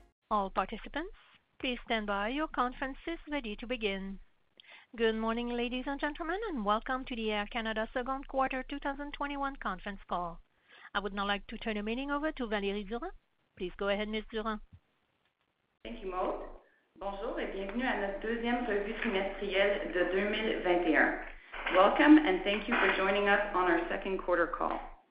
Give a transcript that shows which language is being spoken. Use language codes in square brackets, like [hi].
[en] All participants, please stand by. Your conference is ready to begin. Good morning, ladies and gentlemen, and welcome to the Air Canada Second Quarter 2021 conference call. I would now like to turn the meeting over to Valérie Durand. Please go ahead, Ms. Durand. Thank you, Maud. [fr] Bonjour et bienvenue à notre deuxième revue trimestrielle de 2021. [en] Welcome and thank you for joining us on our second quarter call.